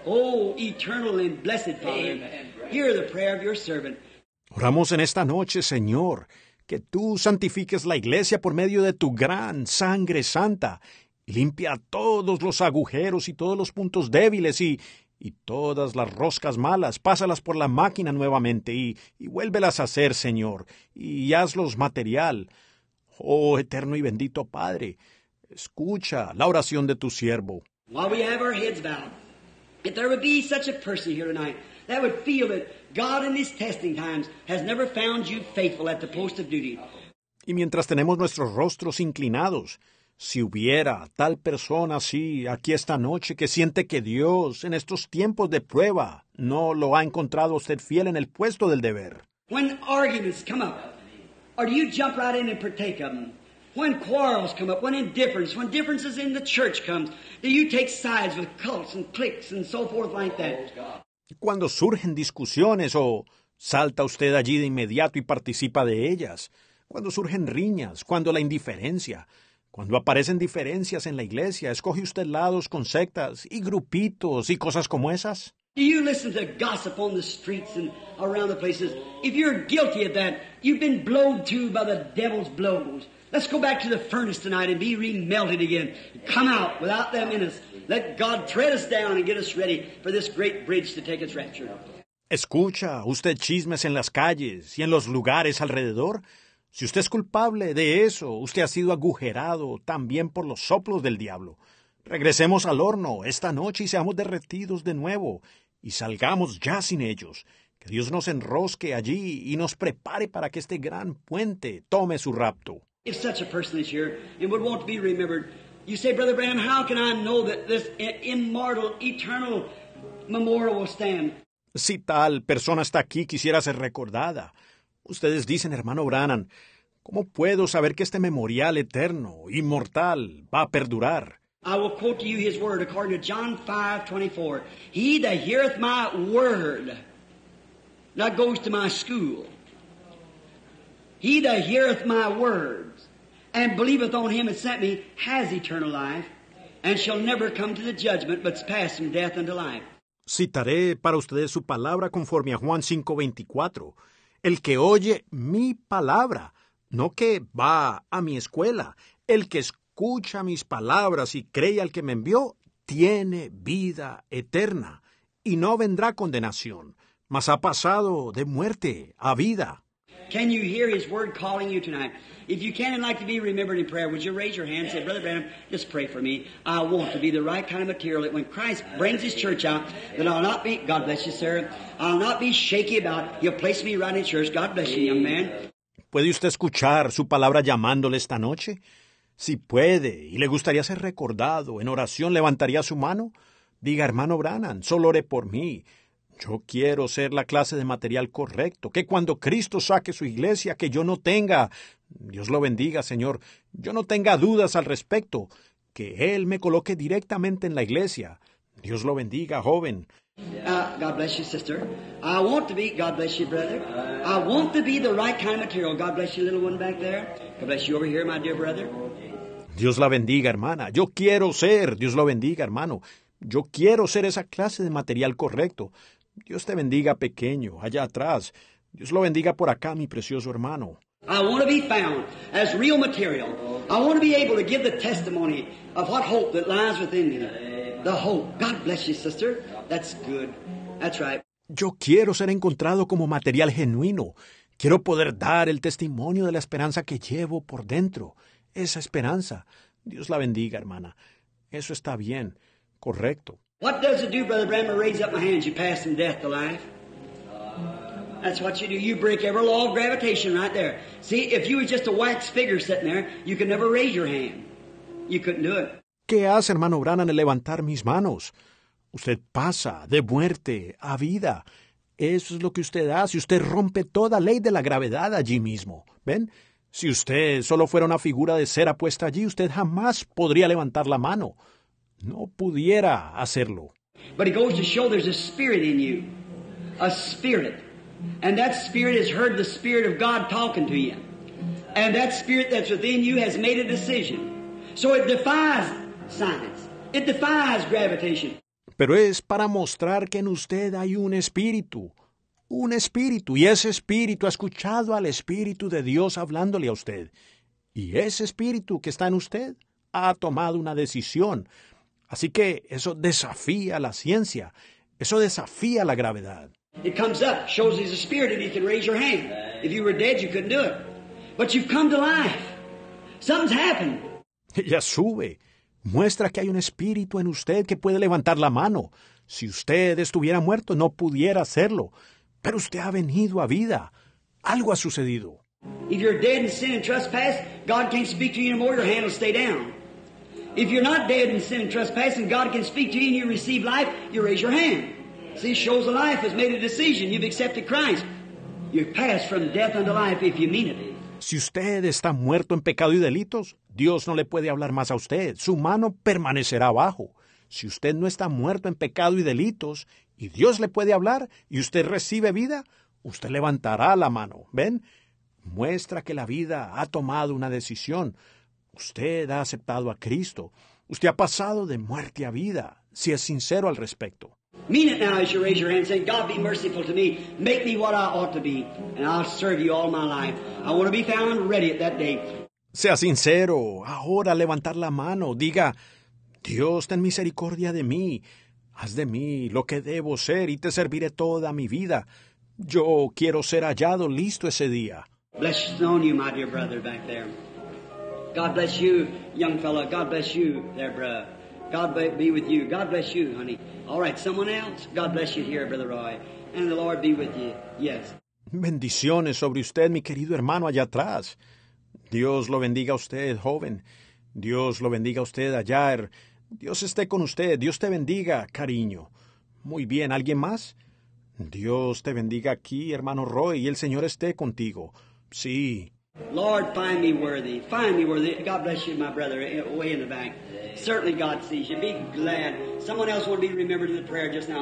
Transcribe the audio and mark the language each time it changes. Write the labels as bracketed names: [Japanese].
[English] Oh, eternal and blessed Father, hear the prayer of your servant. [Spanish] Oramos en esta noche, Señor, que tú santifiques la iglesia por medio de tu gran sangre santa. Limpia todos los agujeros y todos los puntos débiles y todas las roscas malas, pásalas por la máquina nuevamente y vuélvelas a hacer, Señor, y hazlos material. Oh, eterno y bendito Padre, escucha la oración de tu siervo. [English] While we have our heads bowed, if there would be such a person here tonight that would feel that God in these testing times has never found you faithful at the post of duty. [Spanish] Y mientras tenemos nuestros rostros inclinados, si hubiera tal persona así aquí esta noche que siente que Dios en estos tiempos de prueba no lo ha encontrado usted fiel en el puesto del deber. [English] When arguments come up, or do you jump right in and partake of them? When quarrels come up, when differences in the church comes, do you take sides with cults and cliques and so forth like that? [Spanish] Cuando surgen discusiones salta usted allí de inmediato y participa de ellas. Cuando surgen riñas, cuando la indiferencia. Cuando aparecen diferencias en la iglesia, ¿escoge usted lados con sectas y grupitos y cosas como esas? [English] Do you listen to gossip on the streets and around the places? If you're guilty of that, you've been blown to by the devil's blows. Let's go back to the furnace tonight and be remelted again. Come out without them in us. Let God tread us down and get us ready for this great bridge to take its rapture. [Spanish] ¿Escucha usted chismes en las calles y en los lugares alrededor? Si usted es culpable de eso, usted ha sido agujerado también por los soplos del diablo. Regresemos al horno esta noche y seamos derretidos de nuevo y salgamos ya sin ellos. Que Dios nos enrosque allí y nos prepare para que este gran puente tome su rapto. [English] If such a person is here and would want to be remembered, you say, Brother Branham, how can I know that this immortal, eternal memorial will stand? [Spanish] Si tal persona está aquí, quisiera ser recordada. Ustedes dicen, hermano Branham, ¿cómo puedo saber que este memorial eterno, inmortal, va a perdurar? [English] I will quote to you his word according to John 5:24. He that heareth my word, that goes to my school. He that heareth my words, and believeth on him that sent me, has eternal life, and shall never come to the judgment, but pass from death unto life. [Spanish] Citaré para ustedes su palabra conforme a Juan 5:24. El que oye mi palabra, no que va a mi escuela, el que escucha mis palabras y cree al que me envió, tiene vida eterna y no vendrá condenación, mas ha pasado de muerte a vida. [English] Can you hear his word calling you tonight? If you can and like to be remembered in prayer, would you raise your hand and say, Brother Branham, just pray for me. I want to be the right kind of material that when Christ brings his church out, that I'll not be, God bless you, sir, I'll not be shaky about, he'll place me right in church. God bless you, young man. [Spanish] ¿Puede usted escuchar su palabra llamándole esta noche? Si puede y le gustaría ser recordado en oración, ¿levantaría su mano? Diga, hermano Branham, solo ore por mí. Yo quiero ser la clase de material correcto, que cuando Cristo saque su iglesia, que yo no tenga, Dios lo bendiga, Señor, yo no tenga dudas al respecto, que Él me coloque directamente en la iglesia. Dios lo bendiga, joven. [English] God bless you, sister. I want to be, God bless you, brother. I want to be the right kind of material. God bless you, little one back there. God bless you over here, my dear brother. [Spanish] Dios la bendiga, hermana. Yo quiero ser, Dios lo bendiga, hermano. Yo quiero ser esa clase de material correcto. Dios te bendiga, pequeño, allá atrás. Dios lo bendiga por acá, mi precioso hermano. [English] I want to be found as real material. I want to be able to give the testimony of what hope that lies within me. The hope. God bless you, sister. That's good. That's right. [Spanish] Yo quiero ser encontrado como material genuino, Quiero poder dar el testimonio de la esperanza que llevo por dentro. Esa esperanza. Dios la bendiga, hermana. Eso está bien. Correcto. [English] What does it do, Brother Branham, to raise up my hands? You pass from death to life. That's what you do. You break every law of gravitation right there. See, if you were just a wax figure sitting there, you could never raise your hand. You couldn't do it. [Spanish] ¿Qué hace, hermano Branham, en levantar mis manos? Usted pasa de muerte a vida. Eso es lo que usted hace. Usted rompe toda ley de la gravedad allí mismo. ¿Ven? Si usted solo fuera una figura de cera puesta allí, usted jamás podría levantar la mano. No pudiera hacerlo. [English] But it goes to show there's a spirit in you. A spirit. And that spirit has heard the spirit of God talking to you. And that spirit that's within you has made a decision. So it defies science. It defies gravitation. [Spanish] Pero es para mostrar que en usted hay un espíritu. Un espíritu. Y ese espíritu ha escuchado al Espíritu de Dios hablándole a usted. Y ese espíritu que está en usted ha tomado una decisión. Así que eso desafía la ciencia. Eso desafía la gravedad. [English] It comes up, shows he's a spirit, and he can raise your hand. If you were dead, you couldn't do it. But you've come to life. Something's happened. [Spanish] Ya sube. Muestra que hay un espíritu en usted que puede levantar la mano. Si usted estuviera muerto, no pudiera hacerlo. Pero usted ha venido a vida. Algo ha sucedido. [English] If you're dead in sin and trespass, God can't speak to you anymore. Your hand will stay down. If you're not dead in sin and trespass, and God can speak to you and you receive life, you raise your hand. See, shows the life has made a decision. You've accepted Christ. You've passed from death unto life if you mean it. [Spanish] Si usted está muerto en pecado y delitos, Dios no le puede hablar más a usted. Su mano permanecerá abajo. Si usted no está muerto en pecado y delitos, y Dios le puede hablar, y usted recibe vida, usted levantará la mano. ¿Ven? Muestra que la vida ha tomado una decisión. Usted ha aceptado a Cristo. Usted ha pasado de muerte a vida, si es sincero al respecto. [English] Mean it now as you raise your hand and say, God, be merciful to me. Make me what I ought to be, and I'll serve you all my life. I want to be found ready at that day. [Spanish] Sea sincero. Ahora levantar la mano. Diga, Dios, ten misericordia de mí. Haz de mí lo que debo ser y te serviré toda mi vida. Yo quiero ser hallado listo ese día. [English] Blessed on you, my dear brother back there. God bless you, young fella. God bless you there, brother. God be with you. God bless you, honey. All right, someone else? God bless you here, Brother Roy. And the Lord be with you. Yes. [Spanish] Bendiciones sobre usted, mi querido hermano allá atrás. Dios lo bendiga a usted, joven. Dios lo bendiga a usted allá. Dios esté con usted. Dios te bendiga, cariño. Muy bien, ¿alguien más? Dios te bendiga aquí, hermano Roy, y el Señor esté contigo. Sí. [English] Lord, find me worthy. Find me worthy. God bless you, my brother, way in the back. Certainly God sees you. Be glad. Someone else will be remembered in the prayer just now.